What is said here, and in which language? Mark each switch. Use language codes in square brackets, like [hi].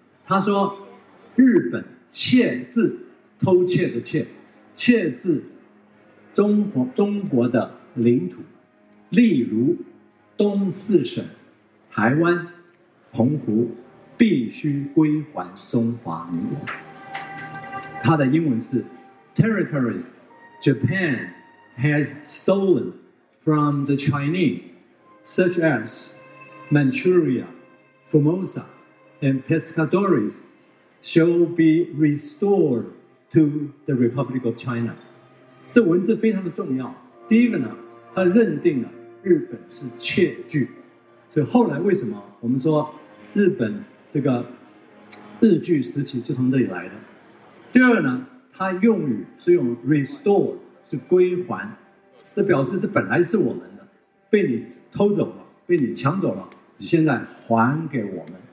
[zh] 他说日本窃自，偷窃的窃，窃自中国的领土，例如东四省、台湾、澎湖必须归还中华民国。它的英文是 [en] territories Japan has stolen from the Chinese such as Manchuria, Formosa and Pescadores shall be restored to the Republic of China。 [zh] 这文字非常的重要。第一个呢，它认定了日本是窃据，所以后来为什么我们说日本这个日据时期就从这里来的。第二呢，它用语是用 restore， 是归还，这表示这本来是我们的，被你偷走了，被你抢走了，你现在还给我们。